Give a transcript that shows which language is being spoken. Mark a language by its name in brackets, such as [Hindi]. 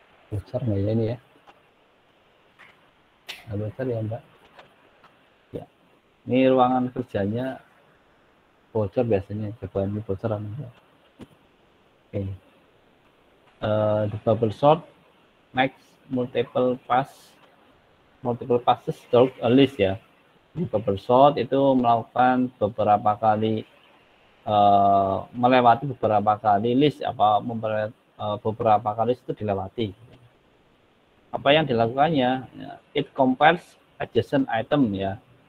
[Indonesian] Besar nggak ya ini ya? Nah, besar ya Mbak? Ini ruangan kerjanya bocor biasanya. Coba ini bocor apa enggak? Oke. [English] The bubble sort makes multiple passes through a list ya. [Indonesian] The bubble sort itu melakukan beberapa kali melewati beberapa kali list apa beberapa kali itu dilewati. Apa yang dilakukannya? [English] It compares adjacent item ya.